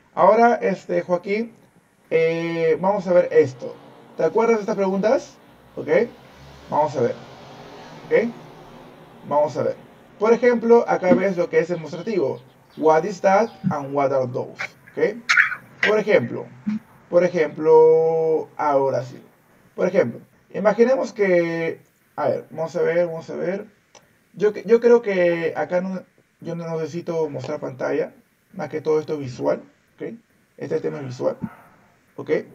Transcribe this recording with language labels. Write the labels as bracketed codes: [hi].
[es] Ahora, Joaquín, vamos a ver esto. ¿Te acuerdas de estas preguntas? ¿Ok? Vamos a ver. ¿Ok? Vamos a ver. Por ejemplo, acá ves lo que es el demostrativo. [en] What is that and what are those? [es] ¿Ok? Por ejemplo, ahora sí. Por ejemplo, imaginemos que... A ver, vamos a ver. Yo creo que acá no necesito mostrar pantalla. Más que todo esto visual, ¿ok? Este tema es visual, ¿ok?